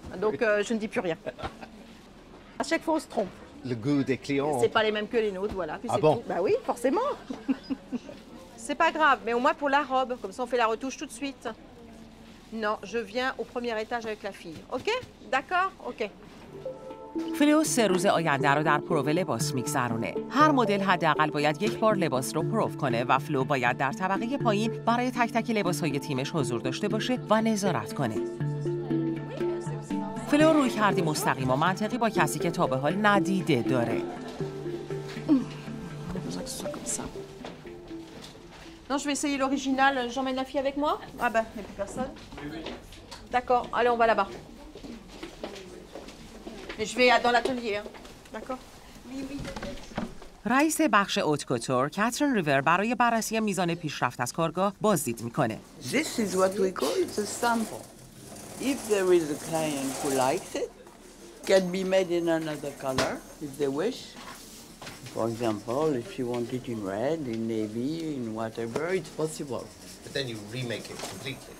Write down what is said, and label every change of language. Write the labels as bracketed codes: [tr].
[fr] Donc, je ne dis plus rien. À chaque fois, on se trompe. Le goût des clients. C'est pas les mêmes que les nôtres, voilà. Puis ah c'est bon tout. Bah oui, forcément. C'est pas grave, mais au moins pour la robe, comme ça on fait la retouche tout de suite. Non, je viens au premier étage avec la fille. Ok ? D'accord ? Ok. [fa] فلیوس 3 روز آینده رو در پرو لباس میگذرونه. هر مدل حداقل باید یک بار لباس رو پرو کنه و فلو باید در طبقه پایین برای تک تک لباس‌های تیمش حضور داشته باشه و نظارت کنه. فلو روی کردی مستقیم و منطقی با کسی که تا به حال ندیده داره. [fr] Non, je vais essayer l'original. J'emmène la fille avec moi. Ah ben, il n'y a plus personne. D'accord, allez, on va là-bas. Et je vais dans l'atelier. D'accord. Oui, oui. [fa] رئیس بخش اوت کوتور کاترین ریور برای بررسی میزان پیشرفت از کارگاه بازدید میکنه. [en] This is what we call it, a sample. If there is a client who likes it, can be made in another color if they wish. For example, if you want it in red, in navy, in whatever, it's possible. But then you remake it completely.